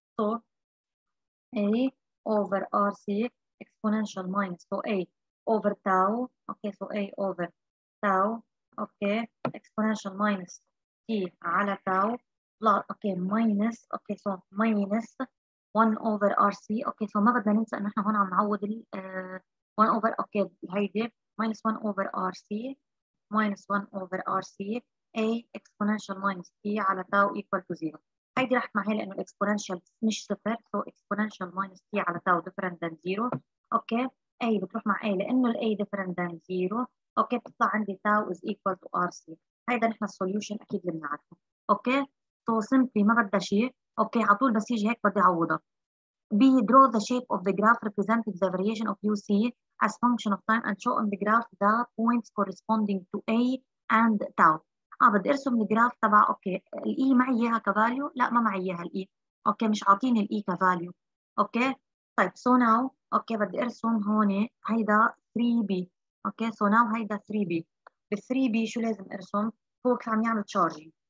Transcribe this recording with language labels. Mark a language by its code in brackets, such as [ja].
[en] so A over RC exponential minus so A over tau okay so A over tau okay exponential minus T على tau plus okay minus okay so minus 1 over RC. [ar] اوكي سو ما بدنا ننسى ان احنا هون عم نعوض ال 1 over اوكي هيدي minus 1 over RC minus 1 over RC A exponential minus T على tau equal to 0. هيدي راحت معي لانه [en] exponential مش صفر، so exponential minus T على tau different than 0. [ar] اوكي A بتروح مع A لانه ال A [en] different than 0. [ar] اوكي بتطلع عندي [en] tau is equal to RC. [ar] هيدا نحن solution اكيد اللي بنعرفه. اوكي [en] so simply [ar] ما بدها شيء. اوكي على طول بس يجي هيك بدي اعوضها. [en] B draw the shape of the graph representing the variation of UC as function of time and show on the graph the points corresponding to A and tau. [ar] بدي ارسم الجراف تبع اوكي الاي معي اياها كفاليو، لا ما معي اياها الاي، اوكي مش عاطيني الاي كفاليو. اوكي طيب سو ناو اوكي بدي ارسم هون هيدا 3B. اوكي سو ناو هيدا 3B. بال 3B شو لازم ارسم؟ هو كيف عم يعمل تشارجينج.